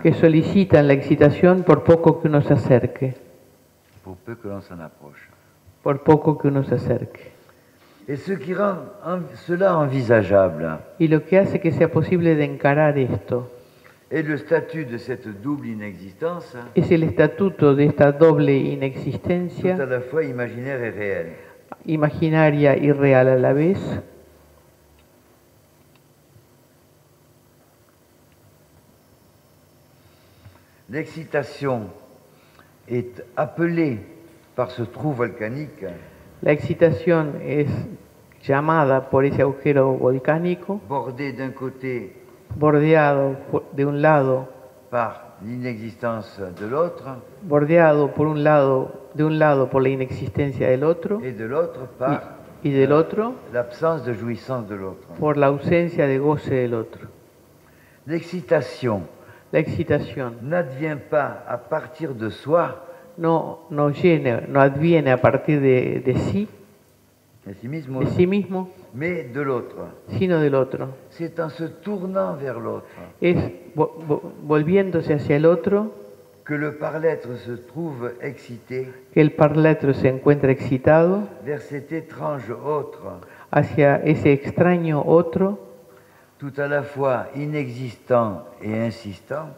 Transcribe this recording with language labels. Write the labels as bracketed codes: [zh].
[es] que solicitan la excitación por poco que uno se acerque, [fr] pour peu que l'on s'en approche, [es] por poco que uno se acerque. [fr] Et ce qui rend cela envisageable, [es] y lo que hace que sea posible de encarar esto. [fr] Et le statut de cette double inexistence. [es] Es el estatuto de esta doble inexistencia. [fr] Tout à la fois imaginaire et réel. [es] Imaginaria y real a la vez. [fr] L'excitation est appelée par ce trou volcanique. [es] La excitación es llamada por ese agujero volcánico. [fr] Bordé d'un côté. [es] Bordeado de un lado [fr] par l'inexistence de l'autre, [es] bordeado por un lado, de un lado por la inexistencia del otro, [fr] et de l'autre par [es] y del otro [fr] l'absence de jouissance de l'autre, [es] por la ausencia de goce del otro. [fr] L'excitation, [es] la excitación [fr] n'advient pas à partir de soi, [es] no adviene a partir de sí. De sí mismo, [fr] mais de l'autre. [es] Sino del otro. [fr] C'est en se tournant vers l'autre. [es] Es volviéndose hacia el otro. [fr] Que le parlêtre se trouve excité. [es] Que el parlêtre se encuentra excitado. [fr] Vers cet étrange autre. [es] Hacia ese extraño otro. [fr] Tout à la fois inexistant et insistant.